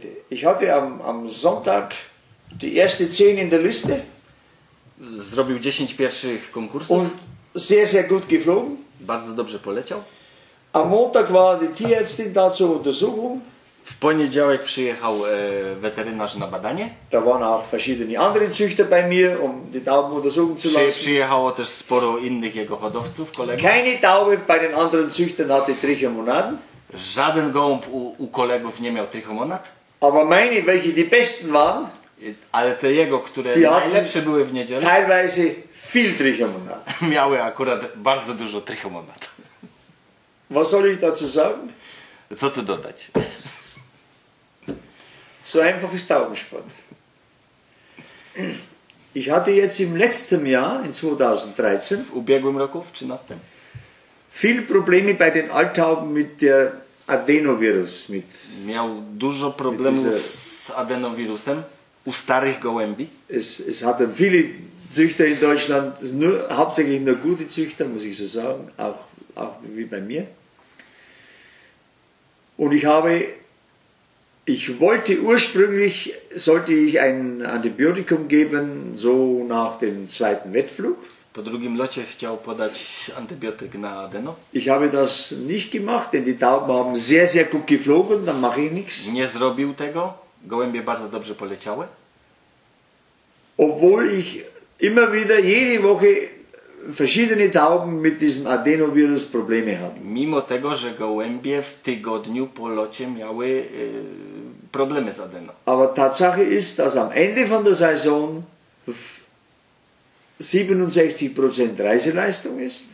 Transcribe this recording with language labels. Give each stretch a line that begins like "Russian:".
German: Ich hatte am Sonntag die erste 10 in der Liste.
Polish: Zrobił 10 pierwszych konkursów.
German: Und sehr, sehr gut geflogen.
Polish: Bardzo dobrze poleciał.
German: Am Montag war die Tierärztin da zur Untersuchung.
Polish: W poniedziałek przyjechał weterynarz na badanie.
German: Da waren auch verschiedene andere Züchter bei mir, um die Tauben untersuchen zu lassen.
Polish: Przyjechało też sporo innych jego hodowców, kolegów.
German: Keine Taube bei den anderen Züchtern hatte Trichomonaden.
Polish: Żaden gołąb u kolegów nie miał trichomonad.
German: Aber meine, welche die besten waren.
Polish: Ale te jego, które najlepsze były w niedzielę.
German: Teilweise viel trichomonad.
Polish: Miały akurat bardzo dużo trichomonad.
German: Was soll ich dazu sagen?
Polish: Co tu dodać?
German: So einfach ist Taubensport. Ich hatte jetzt im letzten Jahr, in 2013,
Polish: w ubiegłym roku, w 13,
German: viel Probleme bei den Altauben mit der Adenovirus. Mit,
Polish: miał dużo problemów mit z adenowirusem u starych gołębi.
German: Es hatten viele Züchter in Deutschland, hauptsächlich nur gute Züchter, muss ich so sagen, auch wie bei mir. Und ich wollte ursprünglich, sollte ich ein Antibiotikum geben, so nach dem zweiten Wettflug.
Polish: Po drugim locie chciał podać antybiotyk na Adeno.
German: Ich habe das nicht gemacht, denn die Tauben haben sehr, sehr gut geflogen, dann mache ich nichts.
Polish: Nie zrobił tego, gołębie bardzo dobrze poleciały.
German: Obwohl ich immer wieder, jede Woche verschiedene Tauben mit diesem Adenovirus Probleme haben.
Polish: Mimo tego, że gołębie w tygodniu po locie miały problemy z Adeno.
German: Aber Tatsache ist, dass am Ende von der Saison 67% Reiseleistung ist.